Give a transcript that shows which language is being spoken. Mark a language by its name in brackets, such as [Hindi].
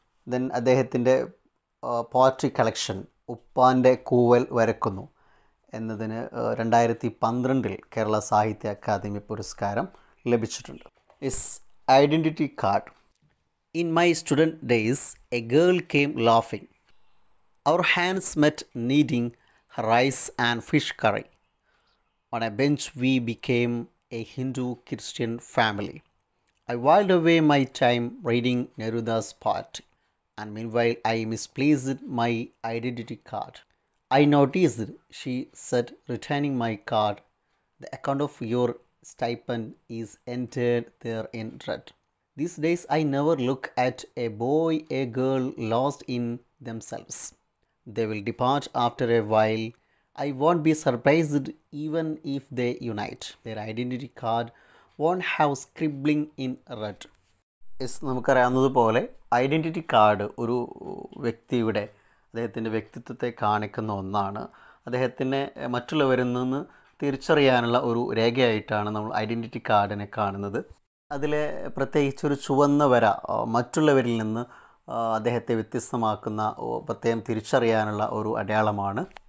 [Malayalam] Then അദ്ദേഹത്തിൻ്റെ poetry collection ഉപ്പാൻ്റെ കൂവൽ വരക്കുന്നു എന്നതിന് 2012 കേരള സാഹിത്യ അക്കാദമി പുരസ്കാരം ലഭിച്ചിട്ടുണ്ട്. [English] Is identity card. In my student days A girl came ലാഫിങ്. Our hands met kneading rice and fish curry. On a bench we became a Hindu-Christian family. I whiled away my time reading Neruda's poet, and meanwhile I misplaced my identity card. I noticed, she said, returning my card, the account of your stipend is entered there in red. These days I never look at a boy, a girl lost in themselves. They will depart after a while. I won't be surprised even if they unite. Their identity card won't have scribbling in red. [Malayalam] Yes, നമുക്കറിയാവുന്നതുപോലെ identity card ഒരു വ്യക്തിയുടെ, അദ്ദേഹത്തിൻ്റെ വ്യക്തിത്വത്തെ കാണിക്കുന്ന ഒന്നാണ്. അദ്ദേഹത്തിനെ മറ്റുള്ളവരിൽ നിന്ന് തിരിച്ചറിയാനുള്ള ഒരു രേഖയായിട്ടാണ് നമ്മൾ ഐഡൻറ്റിറ്റി കാർഡിനെ കാണുന്നത്. അതിലെ പ്രത്യേകിച്ചൊരു ചുവന്ന വര മറ്റുള്ളവരിൽ നിന്ന് അദ്ദേഹത്തെ വ്യത്യസ്തമാക്കുന്ന, പ്രത്യേകം തിരിച്ചറിയാനുള്ള ഒരു അടയാളമാണ്.